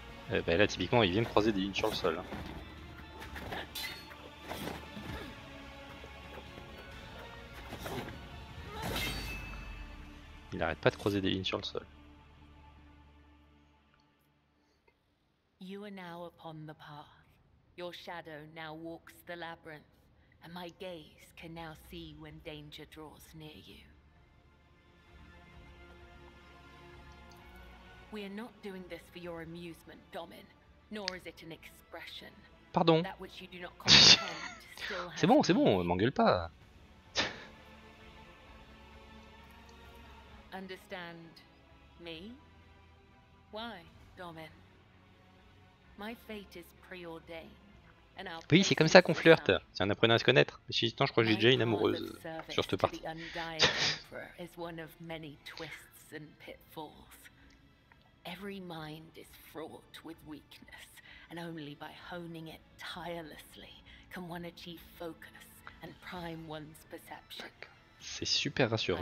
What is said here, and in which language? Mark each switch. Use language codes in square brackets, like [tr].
[fr] Bah là typiquement il vient de croiser des lignes sur le sol. Il n'arrête pas de croiser des lignes sur le sol. [en] You are now upon the path. Your shadow now walks the labyrinth, and my gaze can now see when danger draws near you. We are not doing this for your amusement, Domin, nor is it an expression. [fr] Pardon. [en] That which you do not comprehend. [fr] C'est bon, m'engueule pas. [en] Understand me? Why, Domin? My fate is preordained, and our. [fr] Oui, c'est comme ça qu'on flirte. Si on apprenait à se connaître. Mais si je crois que j'ai déjà une amoureuse sur cette partie. [en] Is one of many twists and pitfalls. Every mind is fraught with weakness, and only by honing it tirelessly can one achieve focus and prime one's perception. [fr] C'est super rassurant.